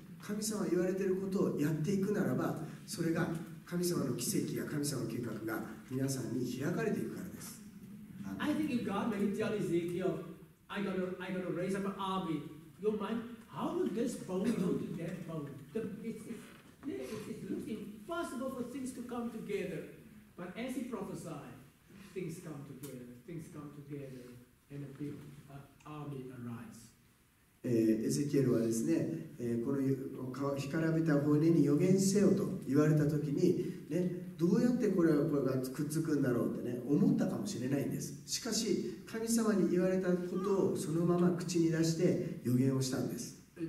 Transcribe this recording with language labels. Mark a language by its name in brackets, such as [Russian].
[Japanese] 神様が言われていることをやっていくならば、それが神様の奇跡や神様の計画が皆さんに開かれていくからです。 [English] I think if God may tell EzekielI'm gonna raise up an army. Your mind, how would this bone go to that bone? It looks impossible for things to come together. But as he prophesied, things come together. Things come together, and a big army arises. [Japanese] エゼキエルはですね、この干からびた骨に予言せよと言われたときに、ね、どうやってこれがくっつくんだろうって、ね、思ったかもしれないんです。しかし神様に言われたことをそのまま口に出して予言をしたんです。